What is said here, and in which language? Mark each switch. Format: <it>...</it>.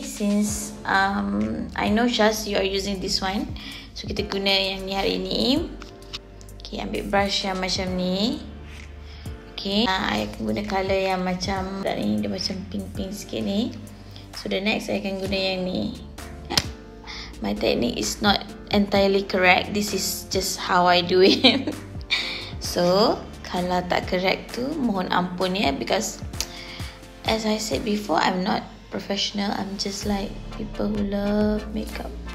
<en>Since I know Shaz, you are using this one.</en> <ms>So kita guna yang ni hari ni. Okay, ambil brush yang macam ni. Okay, I akan guna colour yang macam ni, dia macam pink-pink sikit ni. So the next, I akan guna yang ni.</ms> <en>My technique is not entirely correct. This is just how I do it.</en> <ms>So, kalau tak correct tu, mohon ampun ya.</ms> <en>Because, as I said before, I'm not professional. I'm just like people who love makeup.</en>